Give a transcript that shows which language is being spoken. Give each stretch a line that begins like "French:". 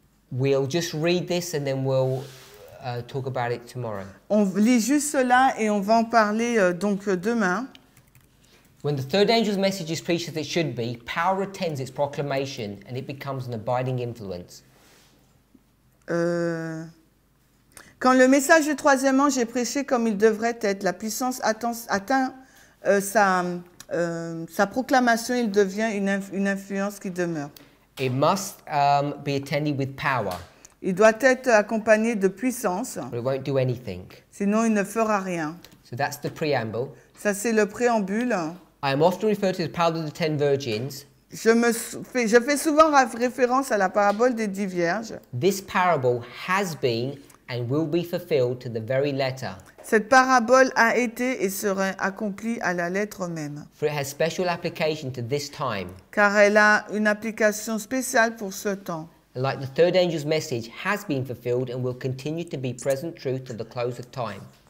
English: We'll just read this and then we'll talk about it tomorrow.
French: On lit juste cela et on va en parler donc demain.
English: When the third angel's message is preached as it should be, power attends its proclamation and it becomes an abiding influence.
French: Quand le message du troisième ange est prêché comme il devrait être, la puissance atteint sa proclamation, il devient une influence qui demeure.
English: It must, be attended with power.
French: Il doit être accompagné de puissance.
English: It won't do anything.
French: Sinon, il ne fera rien.
English: So that's the preamble.
French: Ça, c'est le préambule.
English: I am often referred to the parable of the ten virgins.
French: Je fais souvent référence à la parabole des dix vierges.
English: This parable has been and will be fulfilled to the very letter.
French: Cette parabole a été et sera accomplie à la lettre même.
English: For it has special application to this time.
French: Car elle a une application spéciale pour ce temps.
English: Like the third angel's message has been fulfilled and will continue to be present truth to the close of time.